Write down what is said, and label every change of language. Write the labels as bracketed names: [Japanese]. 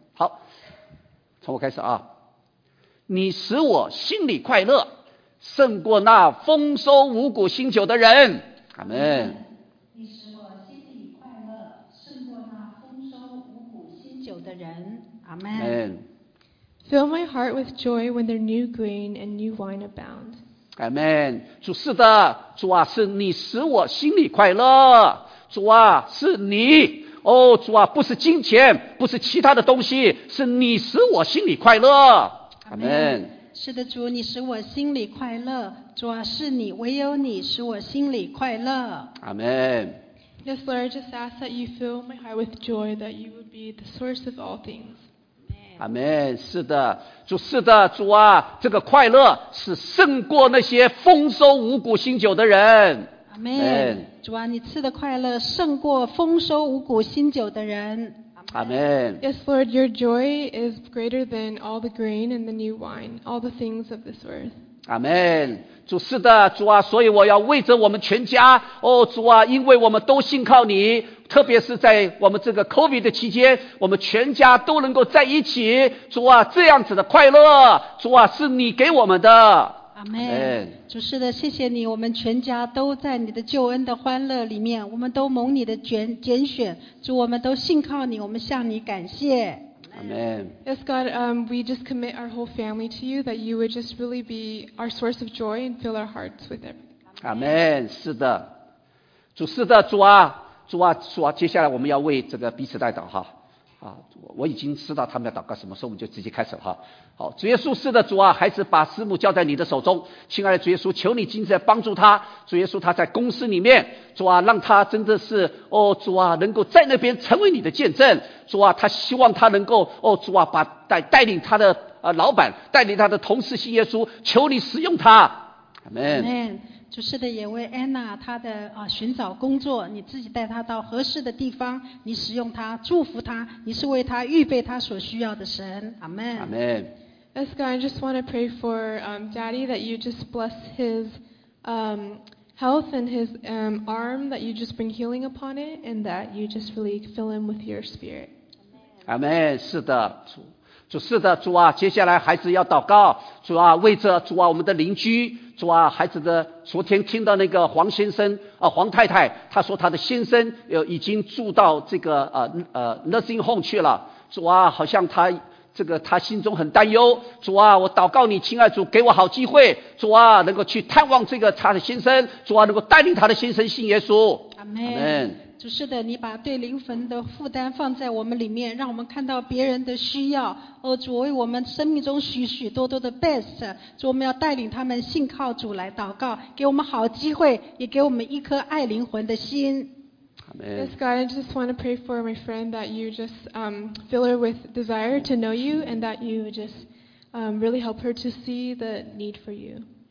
[Chinese] 好，从我开始啊，你使我心里快乐，胜过那丰收五谷新酒的人。阿们。你使我心里快乐，胜过那丰收五谷新酒的人。阿们。 [English] Fill my heart with joy when their new grain and new wine abound. Amen。 [Chinese] 主，是的，主啊，是你使我心里快乐，主啊，是你，哦，主啊，不是金钱，不是其他的东西，是你使我心里快乐。 [English] Amen。 [Chinese] 是的，主，你使我心里快乐，主啊，是你，唯有你使我心里快乐。 [English] Amen。 Yes, Lord, I just ask that you fill my heart with joy, that you would be the source of all things. [Chinese] 阿们。是的，主，是的，主啊，这个快乐是胜过那些丰收五谷新酒的人。阿们。主啊，你赐的快乐胜过丰收五谷新酒的人。阿们。 [English] Yes, Lord, your joy is greater than all the grain and the new wine, all the things of this earth. [Chinese] 阿们。主，是的，主啊，所以我要为着我们全家，哦，主啊，因为我们都信靠你，特别是在我们这个 COVID 的期间，我们全家都能够在一起，主啊，这样子的快乐，主啊，是你给我们的。阿们。主，是的，谢谢你，我们全家都在你的救恩的欢乐里面，我们都蒙你的拣选，主，我们都信靠你，我们向你感谢。 [English] Amen. Yes, God, we just commit our whole family to you, that you would just really be our source of joy and fill our hearts with everything. Amen. [Chinese] 是的，主，是的，主啊，主啊，主啊，接下来我们要为这个彼此代祷哈。啊，我已经知道他们要祷告什么，所以我们就直接开始了哈。好，主耶稣，是的，主啊，孩子把师母交在你的手中，亲爱的主耶稣，求你今天帮助他，主耶稣，他在公司里面，主啊，让他真的是，哦，主啊，能够在那边成为你的见证，主啊，他希望他能够，哦，主啊，把带领他的老板，带领他的同事信耶稣，求你使用他。阿门。主，是的，也为 Anna 她的寻找工作，你自己带她到合适的地方，你使用她，祝福她，你是为她预备她所需要的神。阿门。阿门。 [English] Yes, God, I just want to pray for Daddy, that you just bless his health and his arm, that you just bring healing upon it, and that you just really fill him with your spirit. [Chinese] Amen. 是的，主，是的，主啊，接下来孩子要祷告，主啊，为着主啊我们的邻居，主啊，孩子的昨天听到那个黄先生黄太太，他说他的先生已经住到这个nursing home 去了，主啊，好像他这个他心中很担忧，主啊，我祷告你，亲爱主，给我好机会，主啊，能够去探望这个他的先生，主啊，能够带领他的先生信耶稣。阿门。主，是的，你把对灵魂的负担放在我们里面，让我们看到别人的需要。哦，主为我们生命中许许多多的 best， 主，我们要带领他们信靠主来祷告，给我们好机会，也给我们一颗爱灵魂的心。 [English] Yes, God, I just want to pray for my friend that you just fill her with desire to know you and that you just really help her to see the need for you.